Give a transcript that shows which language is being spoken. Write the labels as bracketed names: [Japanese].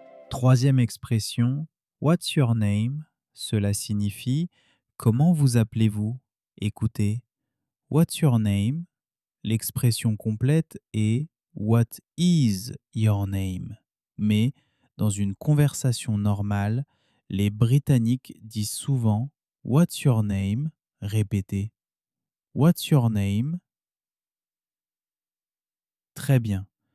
[French] Troisième expression, [English] what's your name? [French] Cela signifie, comment vous appelez-vous? Écoutez, [English] what's your name? [French] L'expression complète est... [English] What is your name? [French] Mais, dans une conversation normale, les Britanniques disent souvent « [English] What's your name ?» [French] Répétez. [English] « What's your name ?» [French] Très bien.